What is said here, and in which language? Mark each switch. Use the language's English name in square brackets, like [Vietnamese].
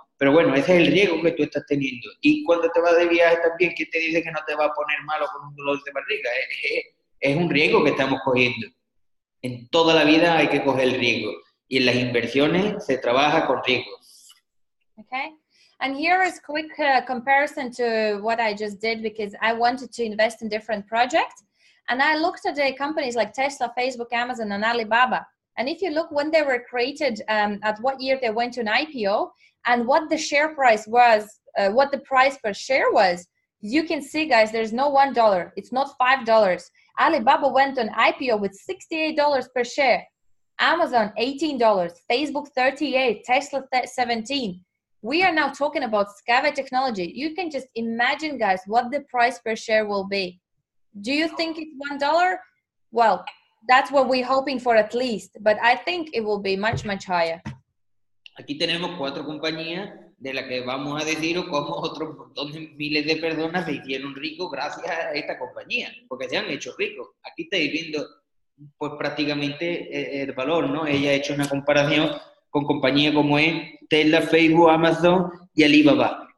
[Spanish] Pero bueno, ese es el riesgo que tú estás teniendo. Y cuando te vas de viaje también, ¿quién te dice que no te va a poner malo con un dolor de barriga? Es un riesgo que estamos cogiendo. En toda la vida hay que coger el riesgo. Y en las inversiones se trabaja con riesgos. Okay. [English] And here is a quick comparison to what I just did, because I wanted to invest in different projects. And I looked at the companies like Tesla, Facebook, Amazon, and Alibaba. And if you look when they were created, at what year they went to an IPO, and what the share price was, what the price per share was, you can see, guys, there's no $1. It's not $5. Alibaba went on IPO with $68 per share. Amazon, $18. Facebook, $38. Tesla, $17. We are now talking about SkyWay Technology. You can just imagine, guys, what the price per share will be. Do you think it's $1? Well, that's what we're hoping for at least. But I think it will be much, much higher. [Spanish] Aquí tenemos cuatro compañías de la que vamos a decir cómo otros montón de miles de personas se hicieron ricos gracias a esta compañía, porque se han hecho ricos. Aquí estáis viendo pues prácticamente el valor, ¿no? Ella ha hecho una comparación con compañías como es Tesla, Facebook, Amazon y Alibaba.